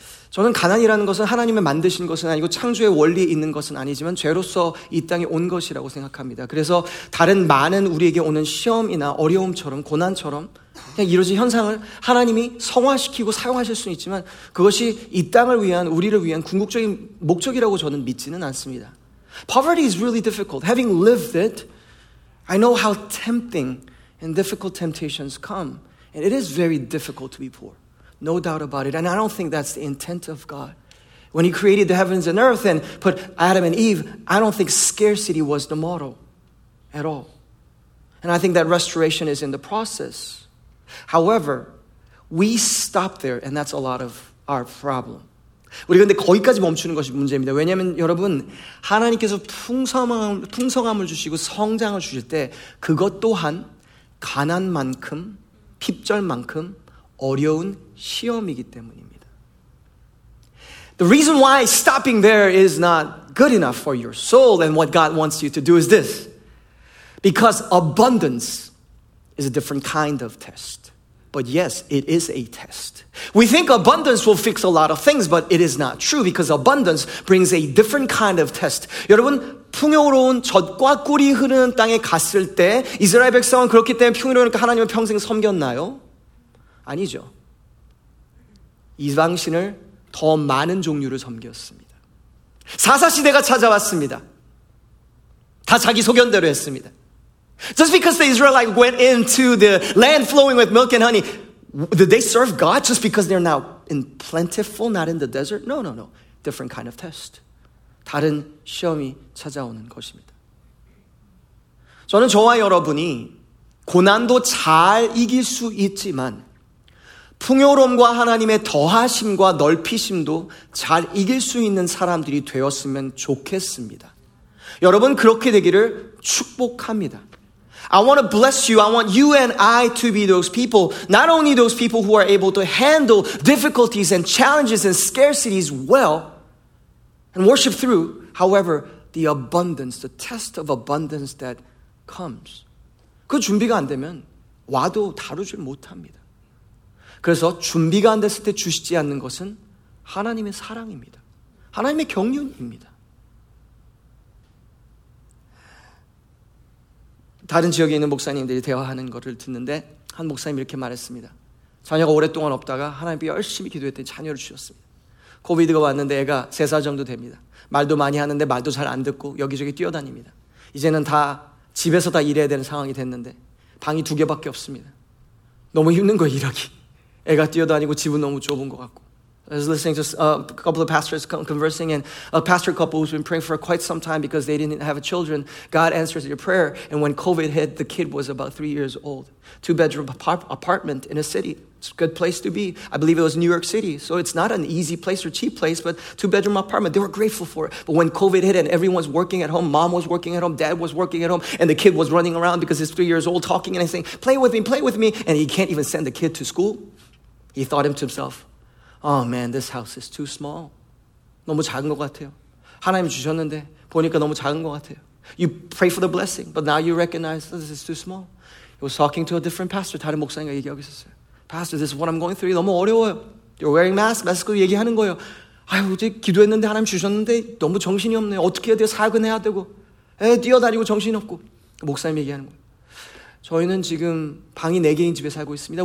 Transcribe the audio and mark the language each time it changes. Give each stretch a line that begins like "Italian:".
Korean: 저는 가난이라는 것은 하나님의 만드신 것은 아니고 창조의 원리에 있는 것은 아니지만 죄로서 이 땅에 온 것이라고 생각합니다. 그래서 다른 많은 우리에게 오는 시험이나 어려움처럼 고난처럼 그냥 이루어진 현상을 하나님이 성화시키고 사용하실 수는 있지만 그것이 이 땅을 위한 우리를 위한 궁극적인 목적이라고 저는 믿지는 않습니다.
English: Poverty is really difficult. Having lived it, I know how tempting and difficult temptations come. And it is very difficult to be poor. No doubt about it. And I don't think that's the intent of God. When he created the heavens and earth and put Adam and Eve, I don't think scarcity was the model at all. And I think that restoration is in the process. However, we stop there and that's a lot of our problem.
Korean: 우리 근데 거기까지 멈추는 것이 문제입니다. 왜냐하면 여러분, 하나님께서 풍성함을 주시고 성장을 주실 때 그것 또한 가난만큼, 핍절만큼 어려운 시험이기 때문입니다.
English: The reason why stopping there is not good enough for your soul and what God wants you to do is this. Because abundance is a different kind of test. But yes, it is a test. We think abundance will fix a lot of things, but it is not true because abundance brings a different kind of test.
Korean: 여러분, 풍요로운 젖과 꿀이 흐르는 땅에 갔을 때 이스라엘 백성은 그렇기 때문에 풍요로우니까 하나님을 평생 섬겼나요? 아니죠. 이방신을 더 많은 종류를 섬겼습니다. 사사시대가 찾아왔습니다. 다 자기 소견대로 했습니다.
English: Just because the Israelites went into the land flowing with milk and honey, did they serve God just because they're now in plentiful, not in the desert? No, no, no. Different kind of test.
Korean: 다른 시험이 찾아오는 것입니다. 저는 저와 여러분이 고난도 잘 이길 수 있지만 풍요로움과 하나님의 더하심과 넓히심도 잘 이길 수 있는 사람들이 되었으면 좋겠습니다. 여러분, 그렇게 되기를 축복합니다.
English: I want to bless you. I want you and I to be those people. Not only those people who are able to handle difficulties and challenges and scarcities well and worship through. However, the abundance, the test of abundance that comes.
Korean: 그 준비가 안 되면 와도 다루질 못합니다. 그래서 준비가 안 됐을 때 주시지 않는 것은 하나님의 사랑입니다. 하나님의 경륜입니다. 다른 지역에 있는 목사님들이 대화하는 것을 듣는데 한 목사님이 이렇게 말했습니다. 자녀가 오랫동안 없다가 하나님께 열심히 기도했더니 자녀를 주셨습니다. 코비드가 왔는데 애가 3살 정도 됩니다. 말도 많이 하는데 말도 잘 안 듣고 여기저기 뛰어다닙니다. 이제는 다 집에서 다 일해야 되는 상황이 됐는데 방이 두 개밖에 없습니다. 너무 힘든 거예요, 일하기. 애가 뛰어다니고 집은 너무 좁은 것 같고.
English: I was listening to a couple of pastors conversing and a pastor couple who's been praying for quite some time because they didn't have a children. God answers your prayer. And when COVID hit, the kid was about 3 years old. Two-bedroom apartment in a city. It's a good place to be. I believe it was New York City. So it's not an easy place or cheap place, but two-bedroom apartment. They were grateful for it. But when COVID hit and everyone's working at home, mom was working at home, dad was working at home, and the kid was running around because he's 3 years old talking and saying, play with me, play with me. And he can't even send the kid to school. He thought to himself, oh man, this house is too small.
Korean: 너무 작은 것 같아요. 하나님 주셨는데 보니까 너무 작은 것 같아요.
English: You pray for the blessing, but now you recognize oh, this is too small. He was talking to a different pastor.
Korean: 다른 목사님과 얘기하고 있었어요.
English: Pastor, this is what I'm going through.
Korean: 너무 어려워요.
English: You're wearing masks.
Korean: 마스크 얘기하는 거예요. 아유, 어제 기도했는데 하나님 주셨는데 너무 정신이 없네요. 어떻게 해야 돼요? 사역은 해야 되고. 에, 뛰어다니고 정신이 없고. 목사님 얘기하는 거예요. 저희는 지금 방이 네 개인 집에 살고 있습니다.